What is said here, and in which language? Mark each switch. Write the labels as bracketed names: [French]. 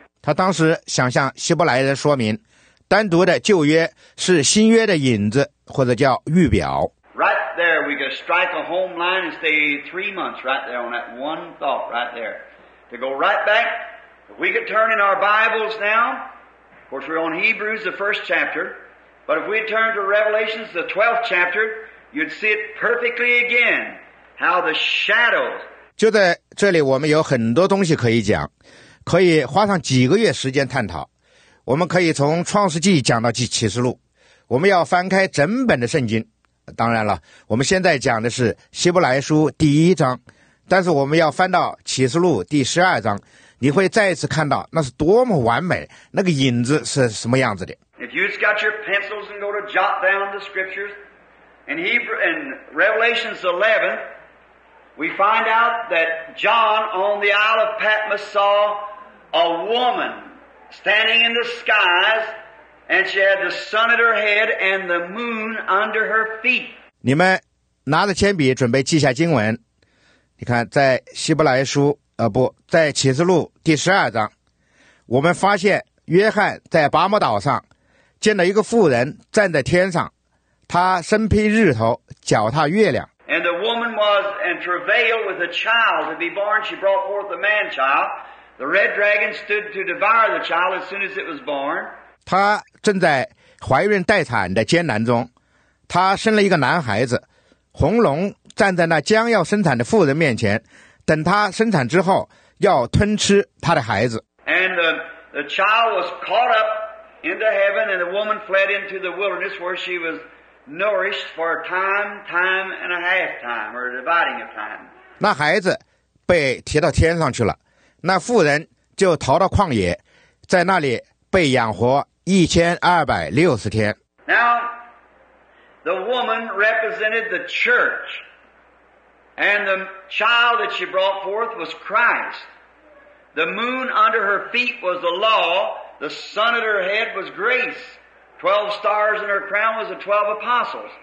[Chinese] 他当时想向希伯来人说明，单独的旧约是新约的影子，或者叫预表。 [English] Right there, we could strike a home line and stay 3 months right there on that one thought right there. To go right back, if we could turn in our Bibles now, of course we're on Hebrews, the first chapter, but if we turn to Revelation, the 12th chapter, you'd see it perfectly again, how the shadows. [Chinese] 就在这里我们有很多东西可以讲，可以花上几个月时间探讨。我们可以从创世纪讲到启示录，我们要翻开整本的圣经。当然了，我们现在讲的是希伯来书第一章，但是我们要翻到启示录第十二章，你会再次看到那是多么完美，那个影子是什么样子的。 [English] If you've got your pencils and go to jot down the scriptures, in Revelation 11, we find out that John on the Isle of Patmos saw a woman standing in the skies, and she had the sun at her head and the moon under her feet. [Chinese] 你们拿着铅笔准备记下经文。你看，在希伯来书，在启示录第十二章，我们发现约翰在拔摩岛上见到一个妇人站在天上，她身披日头，脚踏月亮。 [English] And the woman was in travail with a child to be born. She brought forth a man child. The red dragon stood to devour the child as soon as it was born. [Chinese] 她正在怀孕待产的艰难中，她生了一个男孩子，红龙站在那将要生产的妇人面前，等她生产之后要吞吃她的孩子。 [English] And the child was caught up into heaven, and the woman fled into the wilderness where she was nourished for a time, time and a half time, or a dividing of time. [Chinese] 那孩子被提到天上去了，那妇人就逃到旷野，在那里被养活1260天。 [English] Now, the woman represented the church, and the child that she brought forth was Christ. The moon under her feet was the law, the sun at her head was grace. 12 stars in her crown was the 12 apostles.